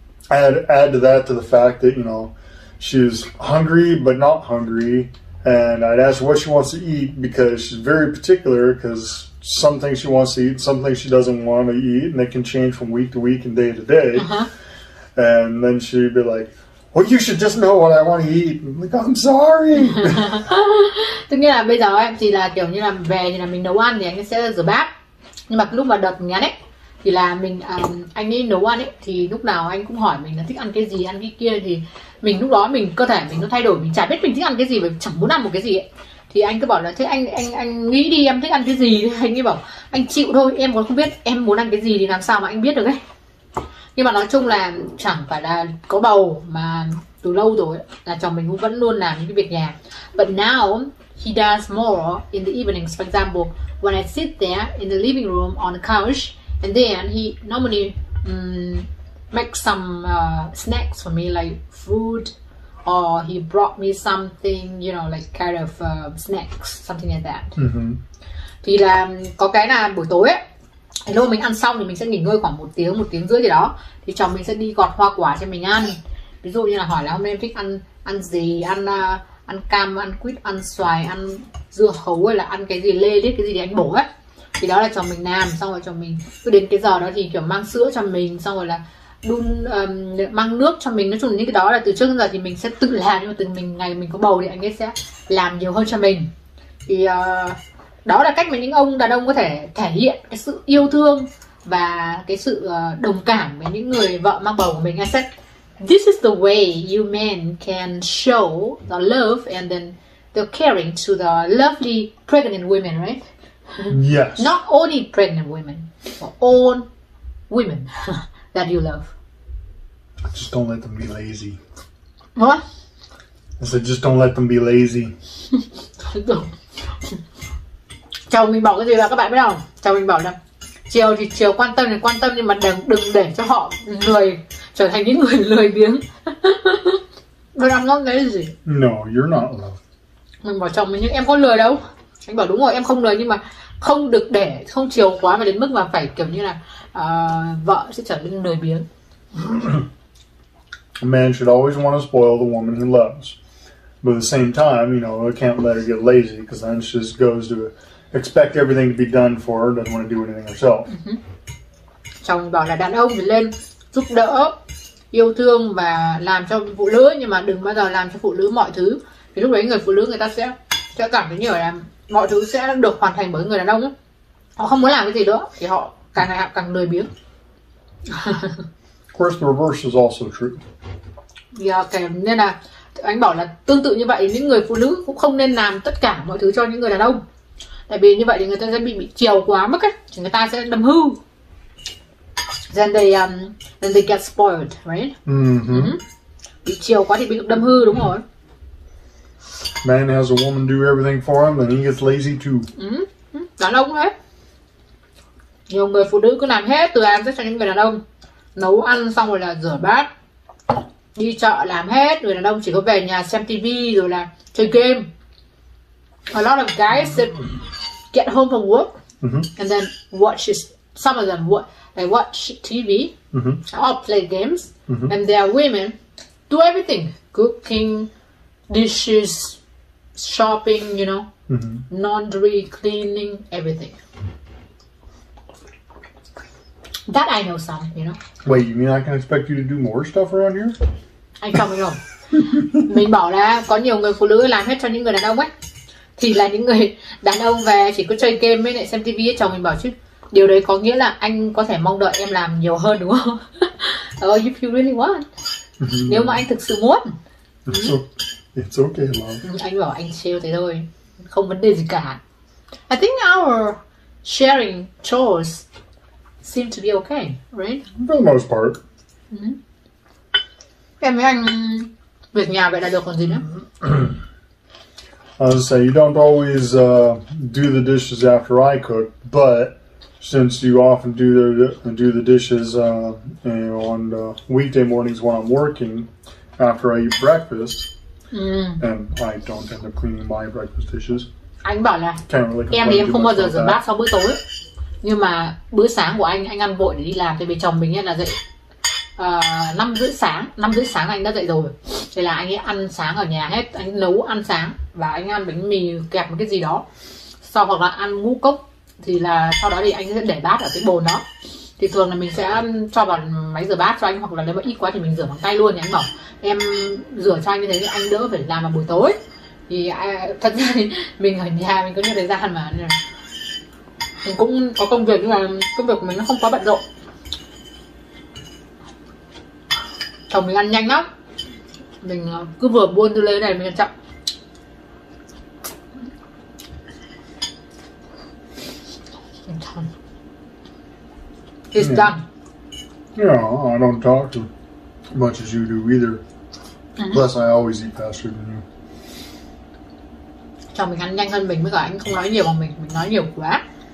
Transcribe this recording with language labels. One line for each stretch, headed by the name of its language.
English: I had to add to that to the fact that, you know, she was hungry but not hungry, and I'd ask her what she wants to eat because she's very particular, because some things she wants to eat, some things she doesn't want to eat, and they can change from week to week and day to day. And then she'd be like, well, you should just know what I want to eat. I'm like, I'm sorry.
Vietnamese: Tức nghĩa là bây giờ em thì là kiểu như là về thì là mình nấu ăn thì anh sẽ rửa bát. Nhưng mà lúc mà đợt nhắn ấy, thì là mình anh ấy nấu ăn ấy, thì lúc nào anh cũng hỏi mình là thích ăn cái gì, ăn cái kia, thì mình lúc đó mình cơ thể mình nó thay đổi, mình chả biết mình thích ăn cái gì và chẳng muốn ăn một cái gì ấy. Thì anh cứ bảo là thế anh nghĩ đi, em thích ăn cái gì. Anh ấy bảo anh chịu thôi, em còn không biết em muốn ăn cái gì thì làm sao mà anh biết được ấy. Nhưng mà nói chung là chẳng phải là có bầu mà từ lâu rồi là chồng mình cũng vẫn luôn làm những cái việc nhà.
English: But now he does more in the evenings. For example, when I sit there in the living room on the couch, and then he normally make some snacks for me, like food. Or he brought me something, you know, like kind of snacks, something like that.
Vietnamese: Thì là có cái là buổi tối ấy, lúc mình ăn xong thì mình sẽ nghỉ ngơi khoảng một tiếng rưỡi gì đó. Thì chồng mình sẽ đi gọt hoa quả cho mình ăn. Ví dụ như là hỏi là hôm nay em thích ăn gì, ăn cam, ăn quýt, ăn xoài, ăn dưa hấu, hay là ăn cái gì lê liết, cái gì để anh bổ ấy. Thì đó là chồng mình làm, xong rồi chồng mình cứ đến cái giờ đó thì kiểu mang sữa cho mình, xong rồi là đun mang nước cho mình. Nói chung là những cái đó là từ trước đến giờ thì mình sẽ tự làm, nhưng mà từ mình ngày mình có bầu thì anh ấy sẽ làm nhiều hơn cho mình. Thì đó là cách mà những ông đàn ông có thể thể hiện cái sự yêu thương và cái sự đồng cảm với những người vợ mang bầu của mình.
English: I said this is the way you men can show the love and then the caring to the lovely pregnant women, right? Yes. Not only pregnant women, but all women that you love. Just don't let them be lazy. What? I said, just don't let them be lazy.
Vietnamese: Chồng mình bảo cái gì là các bạn biết không? Chồng mình bảo là chiều thì chiều quan tâm thì quan tâm, nhưng mà đừng để cho họ lười. trở thành những người lười biếng.
English: But I'm not lazy. No, you're not alone.
Vietnamese: Mình bảo chồng mình nhưng em có lười đâu. Anh bảo đúng rồi em không lười nhưng mà không được để, không chiều quá mà đến mức mà phải kiểu như là vợ sẽ trở nên lười biếng.
English: A man should always want to spoil the woman he loves. But at the same time, you know, I can't let her get lazy because then she just goes to expect everything to be done for her, doesn't want to do anything herself.
Vietnamese: Chồng bảo là đàn ông phải lên giúp đỡ, yêu thương và làm cho phụ nữ nhưng mà đừng bao giờ làm cho phụ nữ mọi thứ. Thì lúc đấy người phụ nữ người ta sẽ cảm thấy như là mọi thứ sẽ được hoàn thành bởi người đàn ông. Họ không muốn làm cái gì nữa thì họ càng ngày càng lười biếng.
English: Of course, the reverse is also true. Yeah, okay.
Vietnamese: Nên là anh bảo là tương tự như vậy, những người phụ nữ cũng không nên làm tất cả mọi thứ cho những người đàn ông. Tại vì như vậy thì người ta sẽ bị chiều quá mức ấy, thì người ta sẽ đâm hư.
English: Then they get spoiled, right? Mm-hmm.
Vietnamese: Bị chiều quá thì bị đâm hư, đúng rồi.
English: Man has a woman do everything for him, then he gets lazy too.
Vietnamese: Đàn ông ấy. Nhiều người phụ nữ cứ làm hết từ ăn tới cho những người đàn ông. Nấu ăn xong rồi là rửa bát, đi chợ làm hết, người đàn ông chỉ có về nhà xem TV rồi là chơi game.
English: A lot of guys that get home from work and then watch some of them they watch TV or play games and their women do everything, cooking, dishes, shopping, you know, laundry, cleaning, everything. That I know some, you know. Wait, you mean I can expect you to do more stuff around here?
Vietnamese: Anh không hiểu. Mình bảo là có nhiều người phụ nữ làm hết cho những người đàn ông ấy. Thì là những người đàn ông về chỉ có chơi game với lại xem TV ấy. Chồng mình bảo chứ điều đấy có nghĩa là anh có thể mong đợi em làm nhiều hơn đúng không?
English: If you really want.
Vietnamese: Nếu mà anh thực sự muốn.
English: It's okay, love.
Vietnamese: Anh bảo anh trêu thế thôi. Không vấn đề gì cả.
English: I think our sharing chores seem to be okay, right? For the most part.
Vietnamese: Em với anh việc nhà vậy là được còn gì nữa?
English: I was gonna say, you don't always do the dishes after I cook, but since you often do the dishes on weekday mornings when I'm working, after I eat breakfast, and I don't end up cleaning my breakfast dishes.
Vietnamese: Anh bảo là
English: can't really complain
Vietnamese: em thì em không bao giờ rửa bát sau bữa tối. Nhưng mà bữa sáng của anh ăn vội để đi làm, thì vì chồng mình là dậy 5 rưỡi sáng anh đã dậy rồi. Thế là anh ấy ăn sáng ở nhà hết, anh nấu ăn sáng và anh ăn bánh mì kẹp một cái gì đó. Sau hoặc là ăn ngũ cốc, thì là sau đó thì anh sẽ để bát ở cái bồn đó. Thì thường là mình sẽ cho vào máy rửa bát cho anh, hoặc là nếu mà ít quá thì mình rửa bằng tay luôn. Thì anh bảo em rửa cho anh như thế thì anh đỡ phải làm vào buổi tối. Thì thật ra thì mình ở nhà mình có nhiều thời gian mà. Mình cũng có công việc nhưng mà công việc của mình nó không quá bận rộn. Chồng mình ăn nhanh lắm. Mình cứ vừa buôn tư lên này mình ăn chậm.
English: He's done. Yeah, I don't talk to much as you do either. Plus I always eat faster than you.
Vietnamese: Chồng mình ăn nhanh hơn mình, mới cả anh không nói nhiều bằng mình nói nhiều quá.